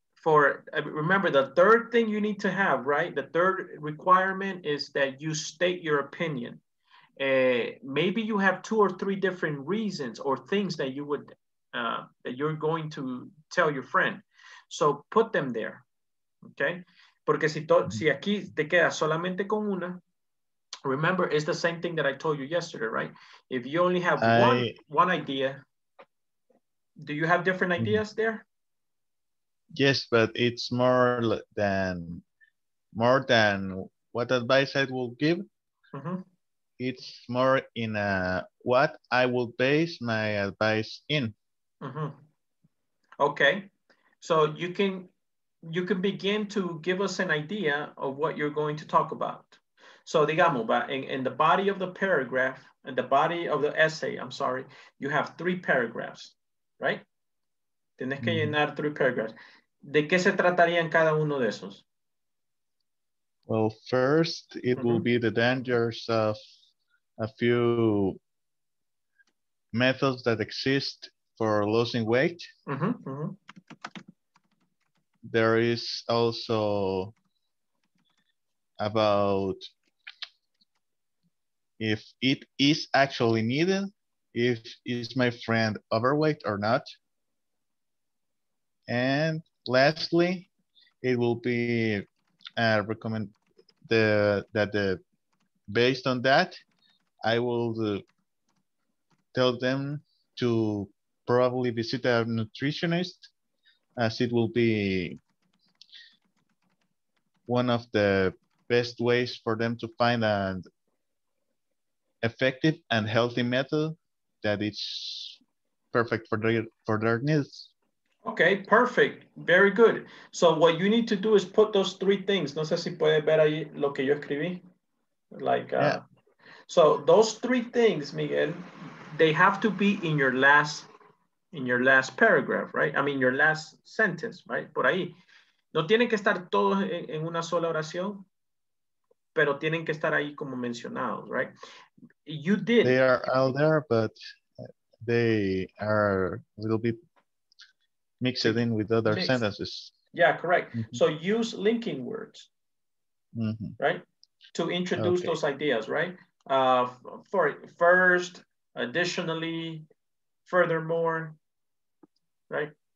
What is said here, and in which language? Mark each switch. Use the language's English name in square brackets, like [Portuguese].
[English] Remember the third thing you need to have, right? The third requirement is that you state your opinion. Maybe you have two or three different reasons or things that you would that you're going to tell your friend. So put them there, okay? [Spanish] Porque si aquí te quedas solamente con una. [English] Remember, it's the same thing that I told you yesterday, right? If you only have one idea, do you have different ideas there? Yes, but it's more than what advice I will give. Mm-hmm. It's more in what I will base my advice in. Mm-hmm. Okay, so you can begin to give us an idea of what you're going to talk about. So, digamos, but in the body of the paragraph, in the body of the essay, I'm sorry, you have three paragraphs, right? [Spanish] Tienes que llenar three paragraphs. ¿De qué se trataría en cada uno de esos? [English] Well, first, it will be the dangers of a few methods that exist for losing weight. There is also about if it is actually needed, if is my friend overweight or not. And lastly, it will be that based on that, I will tell them to probably visit a nutritionist, as it will be one of the best ways for them to find an effective and healthy method that is perfect for their needs. Okay, perfect. Very good. So what you need to do is put those three things. [Spanish] No sé si puede ver ahí lo que yo escribí. [English] Like, yeah. So those three things, Miguel, they have to be in your last paragraph, right? I mean, your last sentence, right? [Spanish] Por ahí. No tienen que estar todos en una sola oración, pero tienen que estar ahí como mencionados, right? [English] You did. They are all there, but they are a little bit mixed in with other sentences. Yeah, correct. Mm-hmm. So use linking words, mm-hmm. right? To introduce okay. those ideas, right? For first, additionally, furthermore, right?